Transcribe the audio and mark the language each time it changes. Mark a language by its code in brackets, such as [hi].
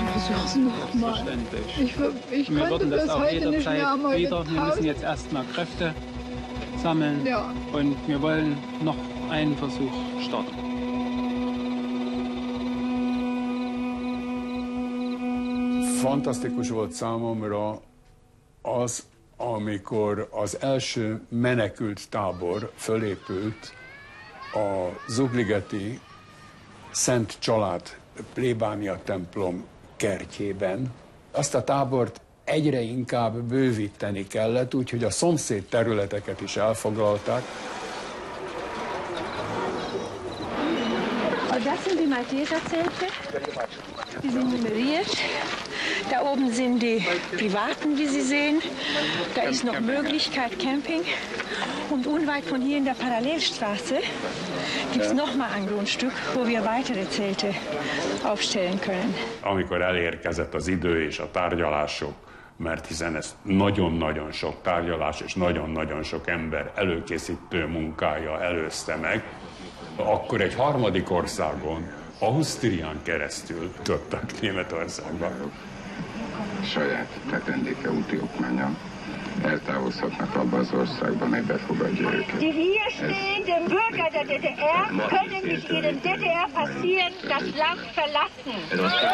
[de] das nochmal? Ich wir könnte das auch heute nicht mehr einmal wieder. Wir müssen jetzt erstmal Kräfte sammeln. Ja. Und wir wollen noch einen Versuch starten. [hu] Fantasztikus volt számomra az, amikor az első menekült tábor fölépült a Zugligeti Szent Család plébánia templom kertjében. Azt a tábort egyre inkább bővíteni kellett, úgyhogy a szomszéd területeket is elfoglalták. [de] Das sind die Malteserzelte. Die sind nummeriert. Da oben sind die Privaten, wie Sie sehen. Da ist noch Möglichkeit Camping. Und unweit von hier in der Parallelstraße gibt es noch mal ein Grundstück, wo wir weitere Zelte aufstellen können. [hu] Amikor elérkezett az idő és a tárgyalások, mert hiszen ez nagyon-nagyon sok tárgyalás és nagyon-nagyon sok ember előkészítő munkája előzte meg, akkor egy harmadik országon, Ausztrián keresztül jutottak Németországba. Saját tetendéke úti okmánnyal eltávozhatnak abba az országba, mely befogadja őket. [de] Die hier stehenden Bürger der DDR können mit ihren DDR passieren das Land verlassen.